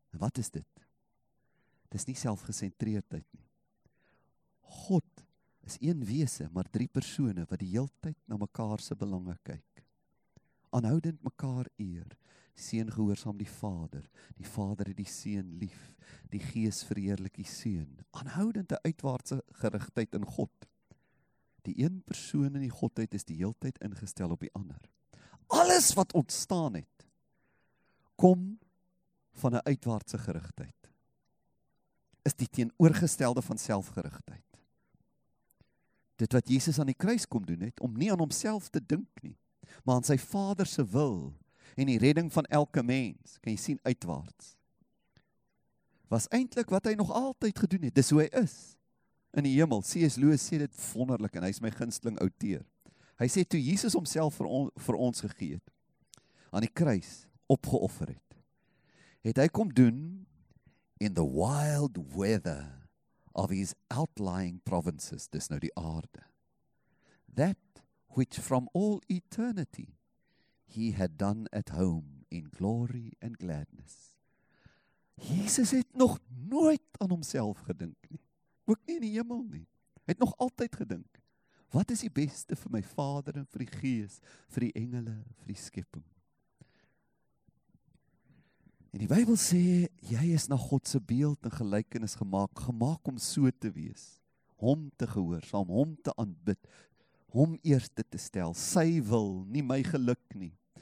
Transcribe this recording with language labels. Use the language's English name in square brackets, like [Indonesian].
[Afrikaans] En wat is dit? Dit is nie selfgesentreerdheid nie. God is een wese, maar drie persone wat die heeltyd na mekaar se belange kyk. Aanhoudend mekaar eer. Seun gehoorsaam die Vader. Die Vader het die Seun lief. Die Gees verheerlik die Seun. Aanhoudende uitwaartse gerigtheid in God. Die een persoon in die Godheid is die heeltyd ingestel op die ander. Alles wat ontstaan het, kom van 'n uitwaartse gerigtheid. Is die teenoorgestelde van selfgerigtheid. Dit wat Jesus aan die kruis kom doen het, om nie aan homself te dink nie, maar aan sy Vader se wil en die redding van elke mens, kan jy sien uitwaarts, was eintlik wat hy nog altyd gedoen het, dis hoe hy is, in die hemel. C.S. Lewis sê dit wonderlik, en hy is my gunsteling outeur. Hy sê, toe Jesus homself vir ons gegee het, aan die kruis opgeoffer het, het hy kom doen, [English] in the wild weather of his outlying provinces, [Afrikaans] dis nou die aarde, [English] that which from all eternity he had done at home in glory and gladness. [Afrikaans] Jesus het nog nooit aan homself gedink nie, ook nie in die hemel nie. Hy het nog altyd gedink, wat is die beste vir my Vader en vir die Gees, vir die engele, vir die skepping? En die Bybel sê, jy is na God se beeld en gelykenis gemaak, gemaak om so te wees, hom te gehoorsaam, hom te aanbid, hom eerste te stel, sy wil, nie my geluk nie.